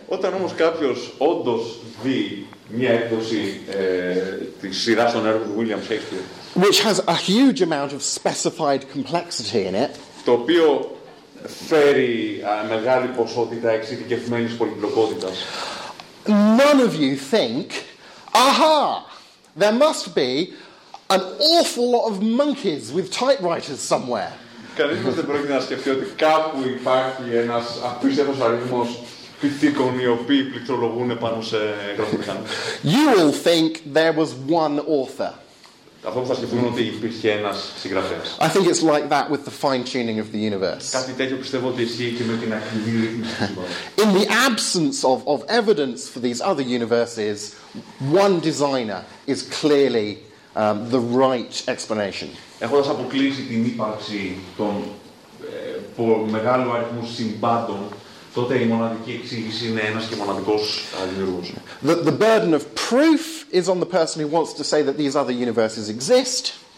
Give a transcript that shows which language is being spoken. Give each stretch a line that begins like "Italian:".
Greek: Όταν όμως κάποιος όντως δει μια έκδοση τη σειράς των έργων του William Shakespeare.
English: Which has a huge amount of specified complexity in it.
Greek: Το οποίο φέρει μεγάλη ποσότητα εξειδικευμένης πολυπλοκότητας.
English: None of you think, aha, there must be an awful lot of monkeys with typewriters somewhere.
Greek: Κανείς μας δεν πρόκειται να σκεφτεί ότι κάπου υπάρχει ένας απίστευτος αριθμός πιθήκων οι οποίοι πληκτρολογούν πάνω σε γραφομηχανές.
English: You will think there was one author.
Greek: Αυτό που θα σκεφτούν ότι υπήρχε ένας συγγραφέας.
English: I think it's like that with the fine tuning of the universe.
Greek: Κάτι τέτοιο πιστεύω ότι ισχύει και με την ακριβή ρύθμιση του κόσμου.
English: In the absence of evidence for these other universes, one designer is clearly the right explanation.
Greek: Έχοντας αποκλείσει την ύπαρξη των μεγάλου αριθμού συμπάντων, τότε η μοναδική εξήγηση είναι ένας και μοναδικός δημιουργός.
English: The burden of proof is on the person who wants to say that these other universes exist.